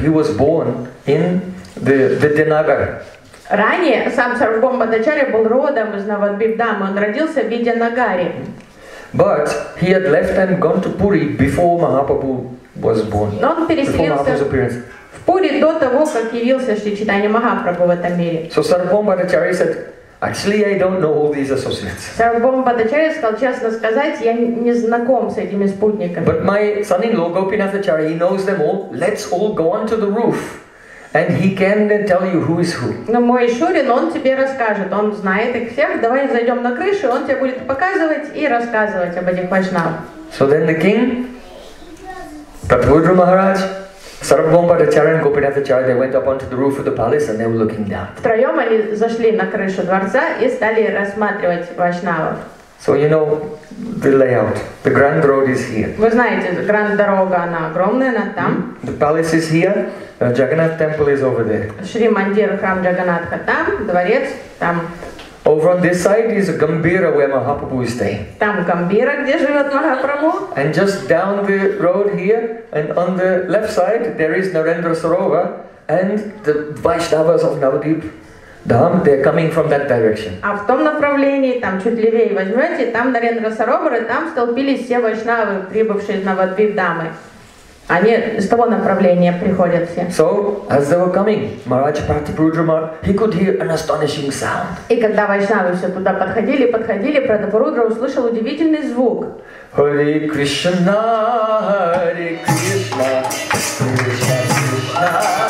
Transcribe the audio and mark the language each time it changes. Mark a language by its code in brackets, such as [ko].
[en] He was born in the Vidyanagar. [ru] Ранее сам Сарвабхаумачарья был родом из Навадвипдамы. Он родился в Видьянагаре. [en] But he had left and gone to Puri before Mahaprabhu was born. [ru] Но он переселился в Пури до того, как явился Шри Чайтанья Махапрабху в этом мире. [en] So Сарвабхаумачарья said, actually, I don't know all these associates. [ru] Сарвабхаумачарья сказал, честно сказать, я не знаком с этими спутниками. [en] But my son-in-law Гопинатхачарья, he knows them all. Let's all go onto the roof. And he can then tell you who is who. [ru] Но мой Шурин, он тебе расскажет, он знает их всех. Давай зайдем на крышу, он тебе будет показывать и рассказывать об этих вайшнавах. [en] So then the king, Prathvudra Maharaj, Сарвабхаумачарья and Гопинатхачарья, they went up onto the roof of the palace and they were looking down. [ru] Втроем они зашли на крышу дворца и стали рассматривать вайшнавов. [en] So you know the layout. The grand road is here. [ru] Вы знаете, grand дорога она огромная, она там. [en] The palace is here. Jagannath temple is over there. [ru] Шри Мандир, храм Джаганнатха там, дворец там. [en] Over on this side is Gambira where Mahaprabhu is staying. [ru] Там Гамбира, где живет Махапрабху. [en] And just down the road here, and on the left side, there is Narendra Sarovar and the Vaishnavas of Navadvip. Dham, they're coming from that direction. [ru] А в том направлении, там чуть левее возьмете, там Нарендра Саровара, там столпились все вайшнавы, прибывшие из Навадвипдамы. Они с того направления приходят все. [en] So, as they were coming, Maharaj Pratapurudra, he could hear an astonishing sound. [ru] И когда вайшнавы все туда подходили, Пратапурудра услышал удивительный звук. [sa] Hare Krishna, Hare Krishna, Krishna Krishna,